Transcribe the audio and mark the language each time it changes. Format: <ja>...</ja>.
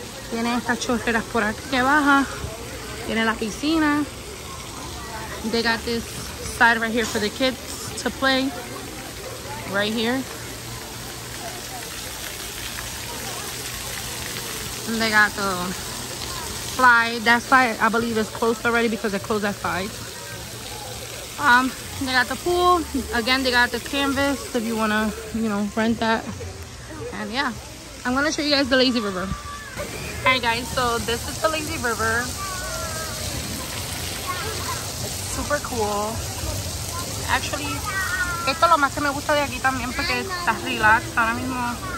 <es>Tiene estas chorreras por aquí que baja, tiene la piscina.</es> <en>They got this side right here for the kids to play, right here. And they got the slide. That slide, I believe, is closed already because it closed at 5. They got the pool. Again, they got the canvas if you want to, you know, rent that. And yeah, I'm going to show you guys the lazy river. All right, guys, so this is the lazy river. It's super cool.</en> <es>Actually, esto es lo más que me gusta de aquí también porque está relaxed ahora mismo.</es>